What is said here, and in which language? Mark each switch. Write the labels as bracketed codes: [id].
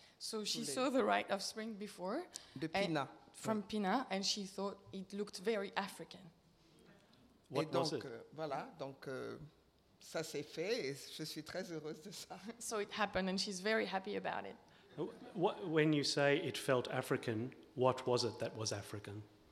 [en] So she saw the Rite of Spring before. [fr] De Pina. [en] From Pina, and she thought it looked very African. What [fr] et donc, [en] was it? [fr] Voilà, donc ça s'est fait, et je suis très heureuse de ça. [en] So it happened, and she's very happy about it. What, when you say it felt African, what was it that was African?